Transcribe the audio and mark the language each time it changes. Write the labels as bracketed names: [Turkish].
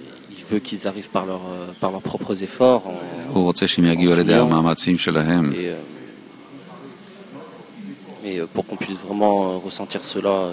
[French] Il veut qu'ils arrivent par leurs propres efforts. [Hebrew] הוא רוצה שהם יגיעו על ידי המאמצים שלהם. [French] Et pour qu'on puisse vraiment ressentir cela,